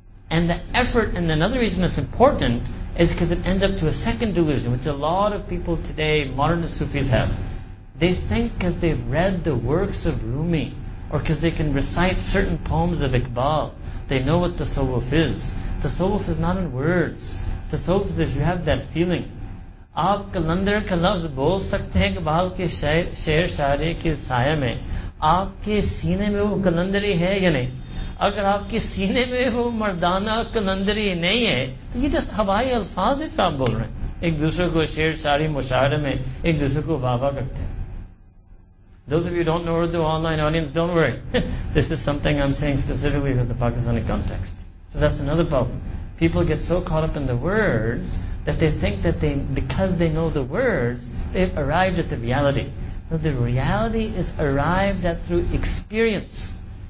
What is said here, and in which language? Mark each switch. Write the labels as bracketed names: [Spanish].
[English] And the effort, and another reason it's important, is because it ends up to a second delusion, which a lot of people today, modern Sufis have. They think because they've read the works of Rumi, or because they can recite certain poems of Iqbal, they know what the tasawwuf is. The tasawwuf is not in words. The tasawwuf is that you have that feeling. [Urdu] آپ قلندر کا لفظ بول سکتے ہے اقبال کے شعر شعارے کے سایہ میں۔ آپ کے سینے میں وہ قلندری ہے یا نہیں؟ اگر آپ کے سینے میں وہ مردانہ قلندری نہیں ہے، تو یہ جسٹ ہوائی الفاظ ہے جو آپ بول رہے ہیں۔ ایک دوسرے کو شعر شعارے مشاعرے میں، ایک دوسرے کو بابا کرتے ہیں۔ [English] Those of you who don't know Urdu, online audience, don't worry. This is something I'm saying specifically for the Pakistani context. So that's another problem. People get so caught up in the words that they think that they, because they know the words, they've arrived at the reality. But the reality is arrived at through experience.